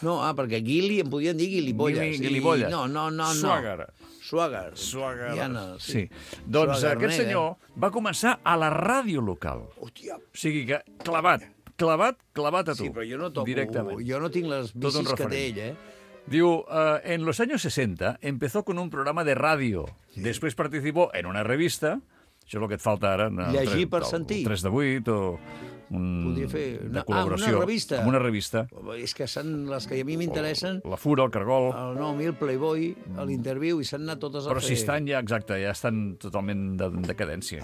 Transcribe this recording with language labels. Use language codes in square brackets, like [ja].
[ca] No, perquè Gilley em podien dir Gilibolles. Gilibolles. No. Swaggart. Swaggart. Diana, sí. Doncs Swaggart, aquest senyor va començar a la ràdio local. Hòstia. O sigui que clavat a tu. Sí, però jo no toco. Directament. Jo no tinc les bicis que té ell, eh? [es] Diu, en los años 60 empezó con un programa de ràdio. [ca] Sí. Després participó en una revista. Això és el que et falta ara. Llegir per sentir. 3 de 8 o... Podria fer... De col·laboració. Una revista. Amb una revista. És que són les que a mi m'interessen. La Fura, el Cargol. No, a mi el Playboy, l'interviu, i s'han anat totes a fer... Però si estan ja, exacte, ja estan totalment en decadència.